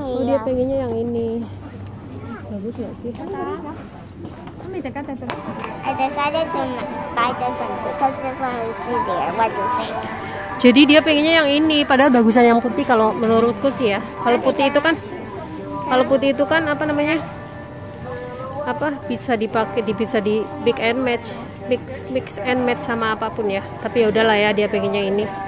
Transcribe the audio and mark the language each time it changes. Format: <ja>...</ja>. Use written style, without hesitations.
<id>Oh, dia pengennya yang ini. Bagus nggak sih? me sacaste</id> <en>the... I decided to buy this one because it's prettier. What do you think?</en> <id>Jadi dia pengennya yang ini, padahal bagusan yang putih kalau menurutku sih ya. Kalau putih itu kan, kalau putih itu kan apa namanya? Apa bisa dipakai, bisa di big and match, mix and match sama apapun ya. Tapi ya udahlah ya, dia pengennya ini.</id>